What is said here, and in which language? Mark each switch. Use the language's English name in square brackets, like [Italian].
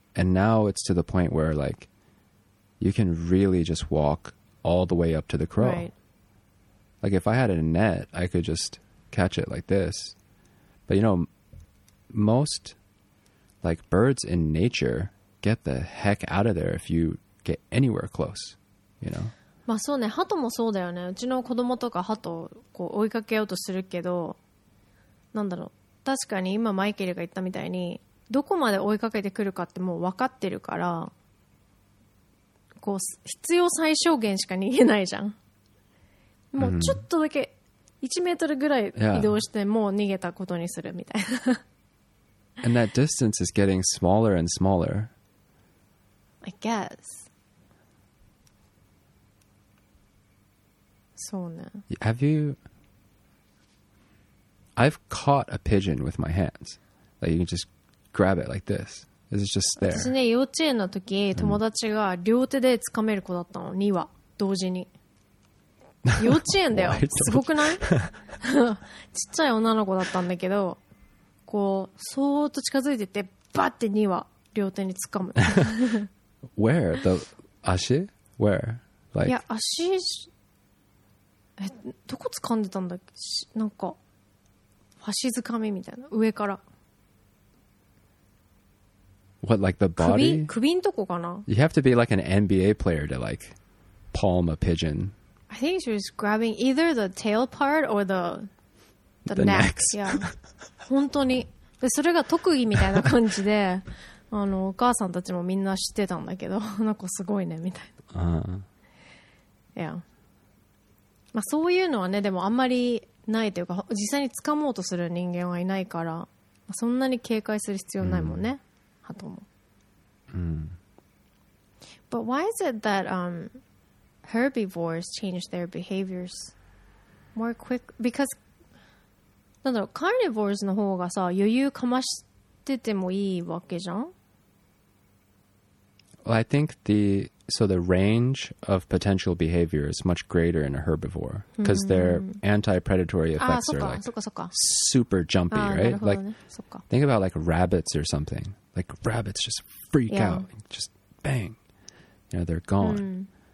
[English] And now it's to the point where, like, you can really just walk all the way up to the crow. Right. Like, if I had a net, I could just catch it like this. But, you know, most, like, birds in nature get the heck out of there if you get anywhere close, you know? [Japanese] まあそうね、鳩もそうだよね。うちの子供とか鳩こう追いかけようとするけど、なんだろう。確かに今マイケルが言ったみたいに、どこまで追いかけてくるかってもう分かってるから、こう必要最小限しか逃げないじゃん。もうちょっとだけ1メートルぐらい移動してもう逃げたことにするみたいな。 [English] And that distance is getting smaller and smaller, I guess. [Japanese] そうね。 [English] Have youI've caught a pigeon with my hands. Like, you can just grab it like this. It's just there. [Japanese] 私ね、幼稚園の時、友達が両手で掴める子だったの、2羽、同時に。幼稚園だよ。すごくない？ちっちゃい女の子だったんだけど、こう、そーっと近づいてて、バッて2羽、両手に掴む。 [English] Where? The [Japanese] 足？ [English] Where? [Japanese] Like... いや、足、え、どこ掴んでたんだっけ？なんか、足づかみみたいな、上から。 [English] What, like the body? [Japanese] 首んとこかな。 [English] You have to be like an NBA player to like palm a pigeon. I think she was grabbing either the tail part or the neck. Yeah. [Japanese] 本当に。でそれが特技みたいな感じで、あのお母さんたちもみんな知ってたんだけど、なんかすごいねみたいな。 [English] Yeah. [Japanese] まあそういうのはね、でもあんまりないというか、実際に掴もうとする人間はいないから、そんなに警戒する必要ないもんね、ハトも。 [English] But why is it that herbivores change their behaviors more quick? Because [Japanese] なんだろう、カーニバルズの方がさ、余裕かましててもいいわけじゃん。 [English] Well, I think the range of potential behavior is much greater in a herbivore because their anti-predatory effects are like super jumpy, right? Like, think about like rabbits or something. Like rabbits just freak out and just bang, you know, they're gone.